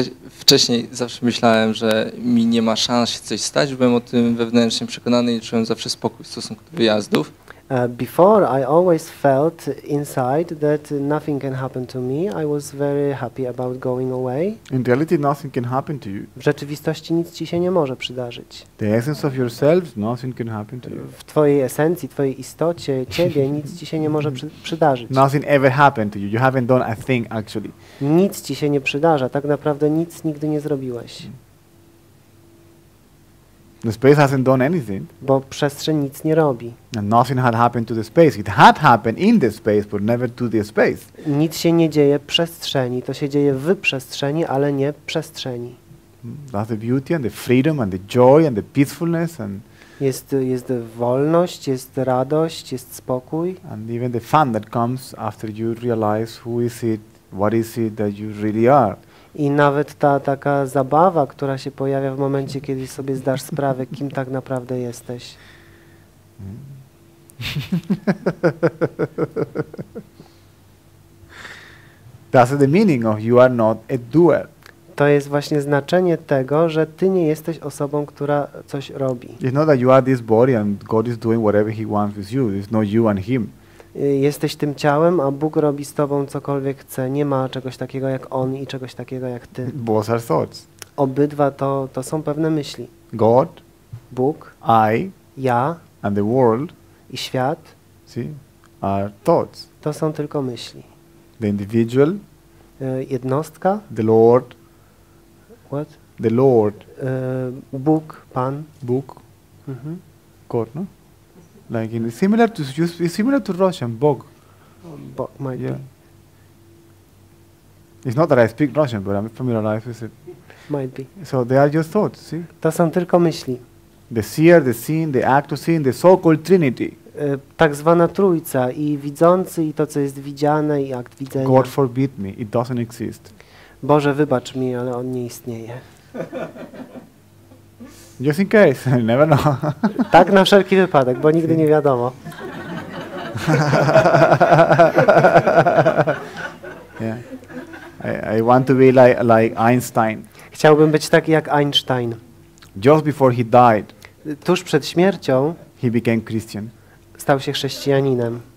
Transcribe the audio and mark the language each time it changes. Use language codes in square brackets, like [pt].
[pl] Wcześniej zawsze myślałem, że mi nie ma szans się coś stać. Byłem o tym wewnętrznie przekonany i czułem zawsze spokój w stosunku do wyjazdów. [en] Before I always felt inside that nothing can happen to me. I was very happy about going away. In reality, nothing can happen to you. [pl] W rzeczywistości nic ci się nie może przydarzyć. [en] The essence of yourself, nothing can happen to you. [pl] W twojej esencji, twojej istocie, ciebie nic ci się nie może przydarzyć. [en] Nothing ever happened to you. You haven't done a thing actually. [pl] Nic ci się nie przydarza. Tak naprawdę nic nigdy nie zrobiłeś. [en] The space hasn't done anything. [pl] Bo przestrzeń nic nie robi. [en] And nothing had happened to the space. It had happened in the space, but never to the space. [pl] Nic się nie dzieje w przestrzeni. To się dzieje w przestrzeni, ale nie w przestrzeni. [en] That's the beauty and the freedom and the joy and the peacefulness and. [pl] Jest wolność, jest radość, jest spokój. [en] And even the fun that comes after you realize who is it, what is it that you really are. [pl] I nawet ta taka zabawa, która się pojawia w momencie, kiedy sobie zdasz sprawę, kim tak naprawdę jesteś. [en] That's the meaning of you are not a doer. [pl] To jest właśnie znaczenie tego, że ty nie jesteś osobą, która coś robi. [en] It's not that you are this body and God is doing whatever he wants with you. It's not you and him. [pl] Jesteś tym ciałem, a Bóg robi z tobą cokolwiek chce. Nie ma czegoś takiego jak on i czegoś takiego jak ty. [en] Both are thoughts. [pl] Obydwa to są pewne myśli. [en] God, [pl] Bóg, [en] I, [pl] ja, [en] and the world, [pl] i świat, [en] see, are thoughts. [pl] To są tylko myśli. [en] The individual. [pl] Jednostka. [en] The Lord. What? The Lord. [pl] Bóg, Pan. [en] Bóg. Mm-hmm. God, no? Like in similar to similar to Russian, Bóg. Bóg might yeah. be. It's not that I speak Russian, but I'm familiarized with it. Might be. So they are just thoughts, see? [pl] To są tylko myśli. [en] The seer, the seen, the act of seeing, the so-called Trinity. [pl] Tak zwana trójca i widzący, i to, co jest widziane, i akt widzenia. [en] God forbid me, it doesn't exist. [pl] Boże, wybacz mi, ale on nie istnieje. [en] Just in case, I never know. [pl] Tak na wszelki wypadek, bo nigdy nie wiadomo. [en] Yeah. I want to be like Einstein. [pl] Chciałbym być taki jak Einstein. [en] Just before he died. [pl] Tuż przed śmiercią. [en] He became Christian. [pl] Stał się chrześcijaninem.